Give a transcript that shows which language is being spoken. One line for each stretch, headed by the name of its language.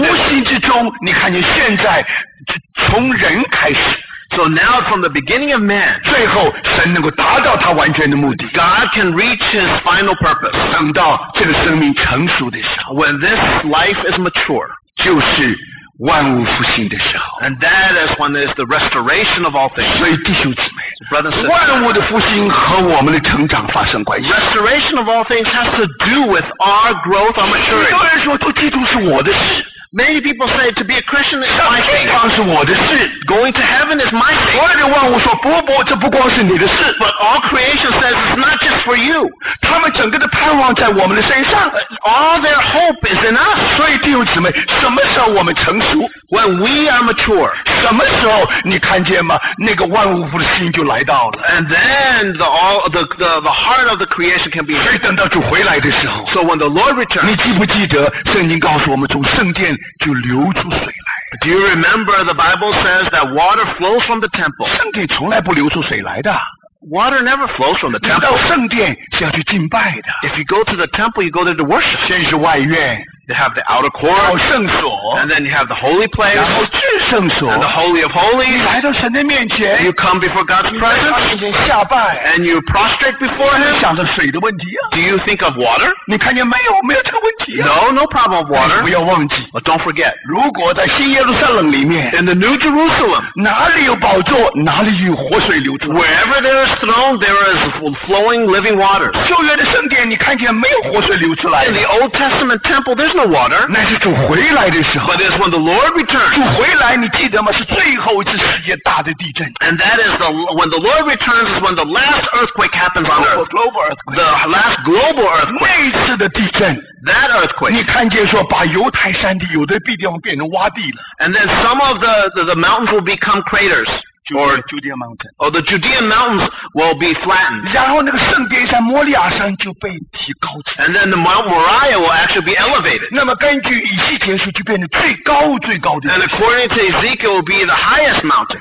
Chinese: 无形之中你看见现在从人开始
English: So now from the beginning of man
Chinese: 最后神能够达到他完全的目的
English: God can reach his final purpose
Chinese: 等到这个生命成熟的时候
English: When this life is mature
Chinese: 就是万物复兴的时候
English: And that is when there is the restoration of all things
Chinese: 所以弟兄姊妹
English: Brother and sister,
Chinese: 万物的复兴和我们的成长发生关系。
English: Restoration of all things has to do with our growth, our maturity.
Chinese: 有人说做基督是我的事。
English: Many people say to be a Christian is my thing.
Chinese: 上天堂是我的事。
English: Going to heaven is my thing.
Chinese: 所有的万物说不不，这不光是你的事。
English: But all creation says it's not just for you.
Chinese: 他们整个的盼望在我们的身上。
English: All their hope is in us.
Chinese: 所以弟兄姊妹，什么时候我们成熟？
English: When we are mature,
Chinese: 什么时候你看见吗？那个万物的心就来到了。
English: And then the heart of the creation can be.
Chinese: 所以等到主回来的时候。
English: So when the Lord returns,
Chinese: 你记不记得圣经告诉我们，从圣殿就流出水来。
English: Do you remember the Bible says that water flows from the temple?
Chinese: 圣殿从来不流出水来的。
English: Water never flows from the temple.
Chinese: 你到圣殿是要去敬拜的。
English: If you go to the temple, you go there to worship.
Chinese: 先是外院。
English: You have the outer court,
Chinese: 然后圣所,
English: and then you have the holy place,
Chinese: 然后至圣所,
English: and the holy of holies.
Chinese: 你来到神的面前,
English: you come before God's presence,
Chinese: 你来到神的下拜,
English: and you prostrate before him.
Chinese: 你想着水的问题啊,
English: do you think of water?
Chinese: 你看见没有, 没有这个问题啊,
English: no, no problem of water.
Chinese: 不要忘记,
English: but don't forget,
Chinese: 如果在新耶路撒冷里面,
English: in the New Jerusalem,
Chinese: 哪里有宝座, 哪里有活水流出,
English: wherever there is throne, there is flowing living water.
Chinese: 旧约的圣殿, 你看见没有活水流出来,
English: in the Old Testament temple, there's no water
Chinese: 那是主回来的时候
English: but it's when the Lord returns
Chinese: 主回来你记得吗是最后一次世界大的地震
English: and that is the, when the Lord returns is when the last earthquake happens on earth global earthquake. The last global earthquake
Chinese: 那一次的地震
English: that earthquake
Chinese: 你看见说把犹太山地有的地方变成洼地了
English: and then some of the mountains will become craters Judea mountain. Or the Judean mountains will be flattened. And then the Mount Moriah will actually be elevated. And according to Ezekiel, it will be the highest mountain.